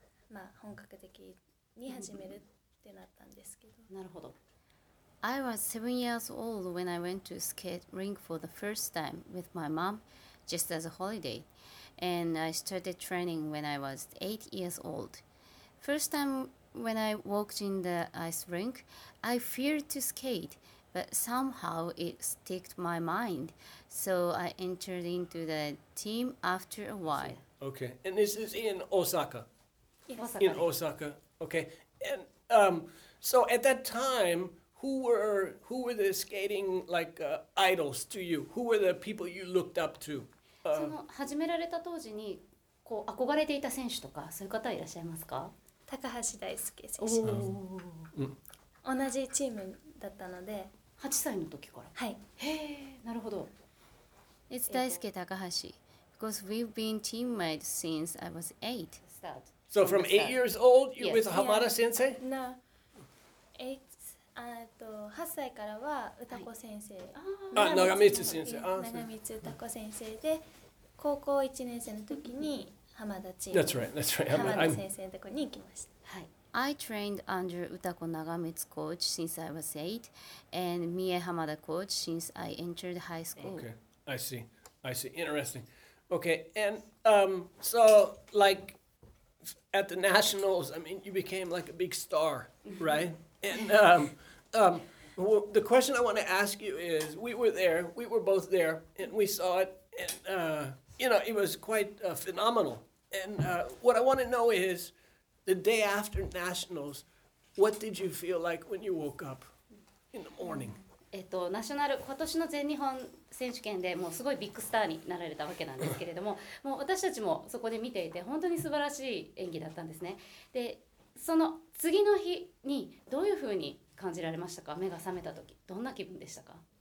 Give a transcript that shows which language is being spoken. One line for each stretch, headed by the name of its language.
Japanese: まあ本格的に始めるってなったんですけど。なるほど。
English: I was 7 years old when I went to skate rink for the first time with my mom, just as a holiday. And I started training when I was 8 years old. First time when I walked in the ice rink, I feared to skate, but somehow it sticked my mind. So I entered into the team after a while. Okay, and this is in Osaka? Yes. In Osaka, okay. And so at that time, Who were the skating like idols to you? Who were the people you looked up to?
Japanese: その始められた当時にこう憧れていた選手とかそういう方いらっしゃいますか？高橋大輔選手です。同じチームだったので。 8歳の時から。はい。へえ、なるほど。
English: It's 大輔高橋 because we've been teammates since I was 8. Start. So from 8 years old, you with Hamada sensei? No. 8.
Japanese: 8歳からは歌子先生、はい、長光先生、長光歌子先生で、高校1年生の時に浜田チーム、
English: That's right.
Japanese: 先生のところに行きました。はい。
English: I trained under 歌子長光 coach since I was 8 and 三重浜田 coach since I entered high school. Okay, I see. Interesting. Okay, and so like at the nationals, I mean, you became like a big star, right? And the question I want to ask you is, we were both there, and we saw it, and it was quite phenomenal. And what I want to know is, the day after nationals, what did you feel like when you woke up in the morning?
Japanese: ナショナル、今年の全日本選手権でもうすごいビッグスターになられたわけなんですけれども、もう私たちもそこで見ていて、本当に素晴らしい演技だったんですね。で、その次の日にどういうふうに感じられましたか？目が覚めた時どんな気分でしたか？